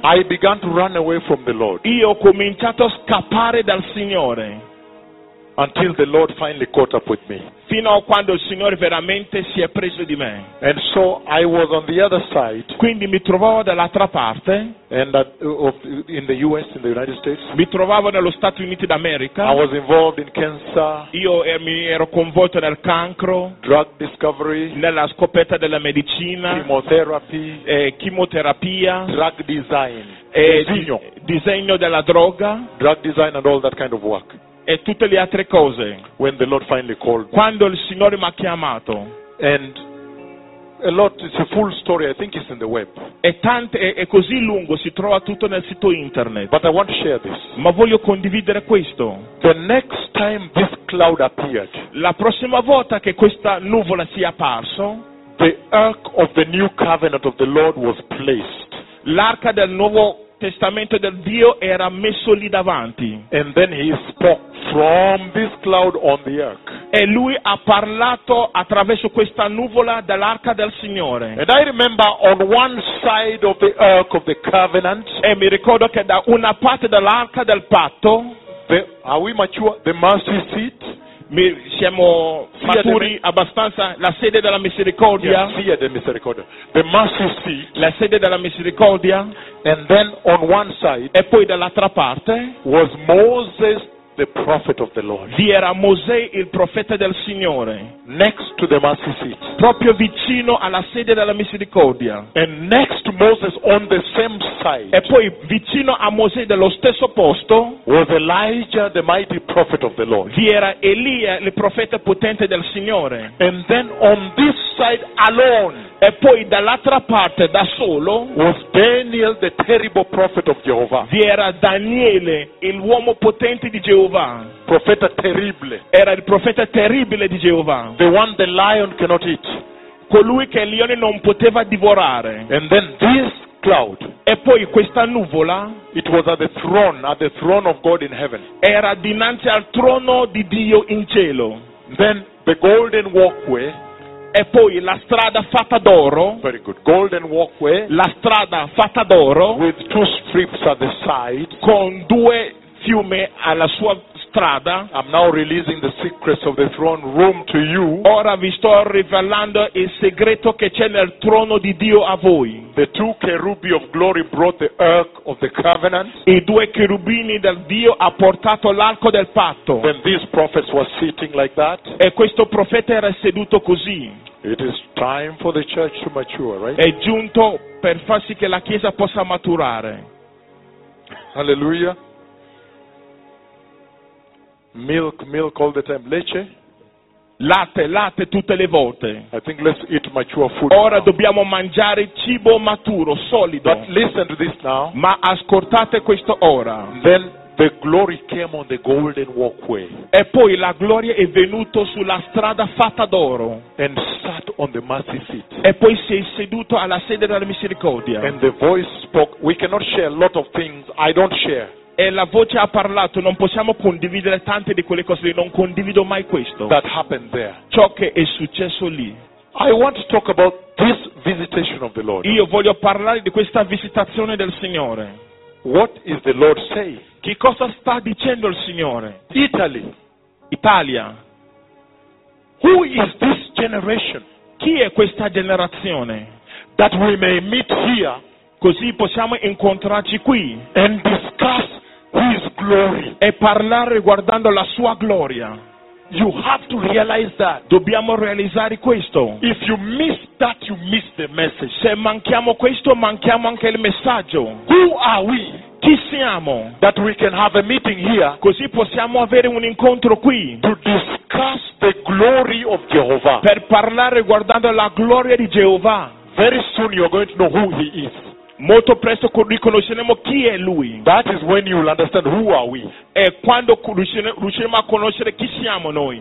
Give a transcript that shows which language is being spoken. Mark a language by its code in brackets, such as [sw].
[en] I began to run away from the Lord. [it] Io ho cominciato a scappare dal Signore. [en] Until the Lord finally caught up with me. [it] Fino a quando il Signore veramente si è preso di me. [en] And so I was on the other side. [it] Quindi mi trovavo dall'altra parte. [en] And that, of, in the U.S. in the United States. [it] Mi trovavo nello Stati Uniti d'America. [en] I was involved in cancer. [it] Io mi ero coinvolto nel cancro. [en] Drug discovery. [it] Nella scoperta della medicina. [en] Chemotherapy. [it] Chemoterapia. [en] Drug design. [it] Disegno della droga. [en] Drug design and all that kind of work. [it] E tutte le altre cose. [en] When the Lord finally called me. [it] Quando il Signore mi ha chiamato. [en] And a lot, it's a full story. I think it's in the web. [it] È così lungo, si trova tutto nel sito internet. [en] But I want to share this. [it] Ma voglio condividere questo. [en] The next time this cloud appeared. [it] La prossima volta che questa nuvola sia apparso. [en] The ark of the new covenant of the Lord was placed. [it] L'arca del nuovo Testamento del Dio era messo lì davanti. [en] And then he spoke from this cloud on the ark. [it] E lui ha parlato attraverso questa nuvola dall'arca del Signore. [en] And I remember on one side of the ark of the covenant. [it] E mi ricordo che da una parte dell'arca del patto. [en] Are we mature? The mercy seat. [it] Siamo maturi abbastanza. La sede della misericordia. [en] Yeah, the misericordia. The mercy seat. [it] La sede della misericordia. [en] And then on one side. [it] E poi dall'altra parte. [en] Was Moses the prophet of the Lord. [it] Vi era Mosè il profeta del Signore. [en] Next to the mercy seat. [it] Proprio vicino alla sede della misericordia. [en] And next to Moses on the same side. [it] E poi vicino a Mosè dello stesso posto. [en] Was Elijah the mighty prophet of the Lord. [it] Vi era Elia il profeta potente del Signore. [en] And then on this side alone. [it] E poi dall'altra parte da solo. [en] Was Daniel the terrible prophet of Jehovah. [it] Vi era Daniele il uomo potente di Geova. Profeta terribile. Era il profeta terribile di Geova. [en] The one the lion cannot eat. [it] Colui che il leone non poteva divorare. [en] And then this cloud. [it] E poi questa nuvola, [en] it was at the throne of God in heaven. [it] Era dinanzi al trono di Dio in cielo. [en] Then the golden walkway. [it] E poi la strada fatta d'oro. [en] Very good. Golden walkway. [it] La strada fatta d'oro. [en] With two strips at the side. [it] Con due fiumi alla sua strada. [en] I'm now releasing the secrets of the throne room to you. [it] Ora vi sto rivelando il segreto che c'è nel trono di Dio a voi. [en] The two cherubim of glory brought the ark of the covenant. [it] I due cherubini del Dio ha portato l'arco del patto. [en] Then this prophet was sitting like that. [it] E questo profeta era seduto così. [en] It is time for the church to mature, right? [it] È giunto per far sì che la chiesa possa maturare. [en] Hallelujah. Milk all the time. Leche? [it] Latte tutte le volte. [en] I think let's eat mature food. [it] Ora [en] now. [it] Dobbiamo mangiare cibo maturo, solido. [en] But listen to this now. [it] Ma ascoltate questo ora. [en] Then the glory came on the golden walkway. [it] E poi la gloria è venuta sulla strada fatta d'oro. [en] And sat on the mercy seat. [it] E poi si è seduto alla sede della misericordia. [en] And the voice spoke. We cannot share a lot of things. I don't share. [it] E la voce ha parlato, non possiamo condividere tante di quelle cose, non condivido mai questo. [en] That happened there. [it] Ciò che è successo lì. [en] I want to talk about this visitation of the Lord. [it] Io voglio parlare di questa visitazione del Signore. [en] What is the Lord saying? [it] Che cosa sta dicendo il Signore? [en] Italy. [it] Italia. [en] Who is this generation? [it] Chi è questa generazione? [en] That we may meet here. [it] Così possiamo incontrarci qui. [en] And discuss his glory. [it] E parlare riguardando la sua gloria. [en] You have to realize that. [it] Dobbiamo realizzare questo. [en] If you miss that, you miss the message. [it] Se manchiamo questo, manchiamo anche il messaggio. [en] Who are we? [it] Chi siamo? [en] That we can have a meeting here. [it] Così possiamo avere un incontro qui. [en] To discuss the glory of Jehovah. [it] Per parlare riguardando la gloria di Jehovah. [en] Very soon you're going to know who he is. [it] Molto presto riconosceremo chi è lui. [en] That is when you will understand who are we. [it] E quando riusciremo a conoscere chi siamo noi.